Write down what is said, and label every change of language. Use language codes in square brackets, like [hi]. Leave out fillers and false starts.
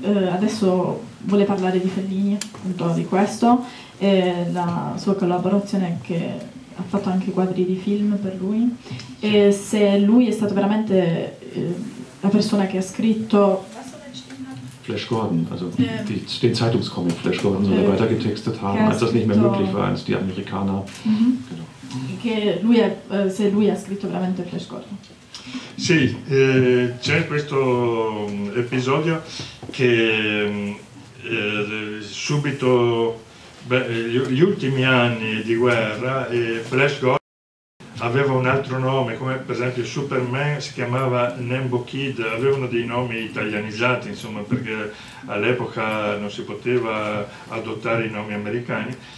[it] adesso vuole parlare di Fellini, appunto di questo, la sua collaborazione, che ha fatto anche quadri di film per lui. E se lui è stato veramente la persona che ha scritto. [de] Flash Gordon, also den Zeitungscomic Flash Gordon, soll er weiter getextet haben, als das nicht mehr möglich war, als die Amerikaner. [it] Se lui ha scritto veramente Flash Gordon. Sì, c'è questo episodio che subito, gli ultimi anni di guerra, Flash Gordon aveva un altro nome, come per esempio Superman si chiamava Nembo Kid, avevano dei nomi italianizzati, insomma, perché all'epoca non si poteva adottare i nomi americani,